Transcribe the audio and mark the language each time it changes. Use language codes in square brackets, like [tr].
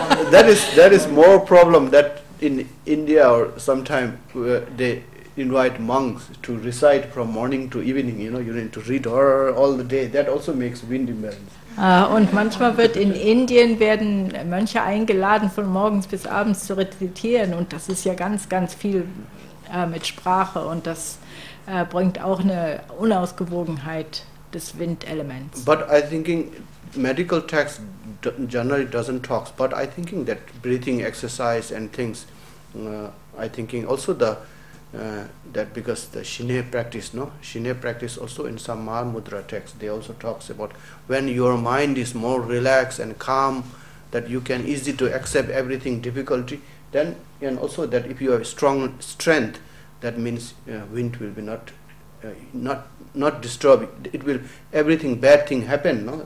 [en] That is more problem that in India or sometime they invite monks to recite from morning to evening, you know, you need to read all the day. That also makes wind imbalance. [de] Und manchmal wird in Indien werden Mönche eingeladen, von morgens bis abends zu rezitieren. Und das ist ja ganz, ganz viel mit Sprache. Und das bringt auch eine Unausgewogenheit des Windelements. [en] But I thinking medical text generally doesn't talk. But I thinking that breathing exercise and things, I thinking also the that because the Shinne practice, no? Shinne practice also in some Mal Mudra text, they also talks about when your mind is more relaxed and calm, that you can easy to accept everything difficulty, then, and also that if you have strong strength, that means wind will be not disturb, it will, everything bad thing happen, no?